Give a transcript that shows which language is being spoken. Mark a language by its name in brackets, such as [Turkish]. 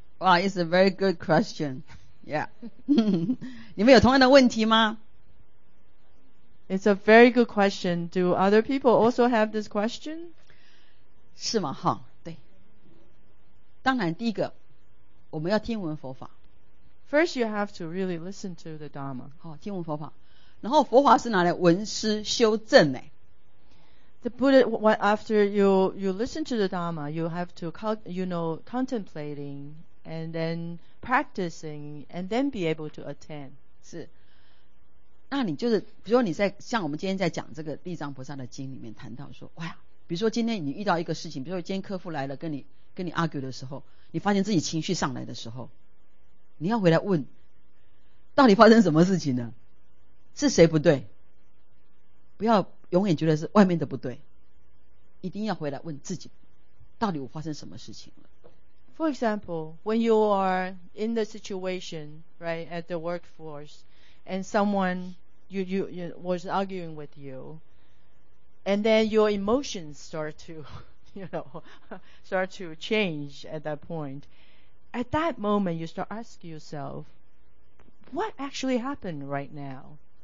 [English] 哇、wow, it's a very good question. Yeah. [Chinese] 你们有同样的问题吗？ [English] It's a very good question. Do other people also have this question? [Chinese] 是吗？哈，对，当然第一个我们要听闻佛法。 [English] First, you have to really listen to the Dharma. [Chinese] 好，听闻佛法。然后佛法是拿来闻思修正呢。 [English] The Buddha, after you listen to the Dharma, you have to, you know, contemplating and then practicing and then be able to attend. [Chinese] 是。那你就是，比如说你在像我们今天在讲这个《地藏菩萨的经》里面谈到说，哇，比如说今天你遇到一个事情，比如说今天客户来了跟你 argue 的时候，你发现自己情绪上来的时候。你要回来问到底发生什么事情呢，是谁不对，不要永远觉得是外面的不对，一定要回来问自己到底我发生什么事情了。 [English] For example, when you are in the situation, right, at the workforce, and someone you was arguing with you, and then your emotions start to change at that point,At that moment, you start asking yourself, what actually happened right now?